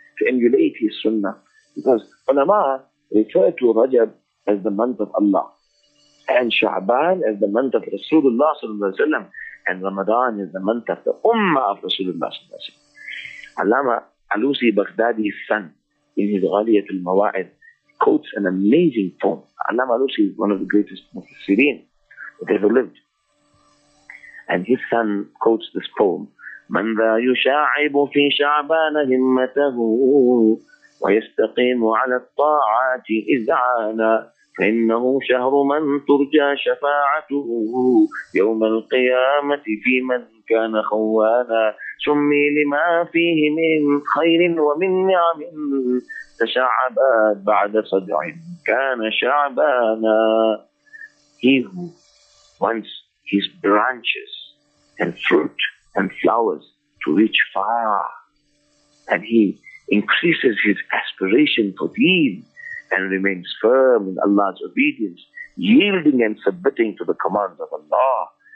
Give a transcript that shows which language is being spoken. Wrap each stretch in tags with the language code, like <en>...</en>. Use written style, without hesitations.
<en>To emulate his sunnah. Because ulama refer to Rajab as the month of Allah and Sha'ban as the month of Rasulullah sallallahu alayhi wa sallam, and Ramadan is the month of the Ummah of Rasulullah sallallahu alayhi wa sallam. Allama Alusi Baghdadi's son in his Ghaliyat al-Mawa'id quotes an amazing poem. Allama Alusi is one of the greatest Mufassirin that ever lived. And his son quotes this poem,</en> <ar>Man dha yusha'ibu fi Sha'ban himmatahu ويستقيم على الطاعات إذعانا فإنه شهر من ترجى شفاعته يوم القيامة في من كان خوانا سمي لما فيه من خير ومن نعم تشعبات بعد صدع كان شعبانا.</ar> <en>He who wants his branches and fruit and flowers to reach far, and he increases his aspiration for deen and remains firm in Allah's obedience, yielding and submitting to the commands of Allah.</en>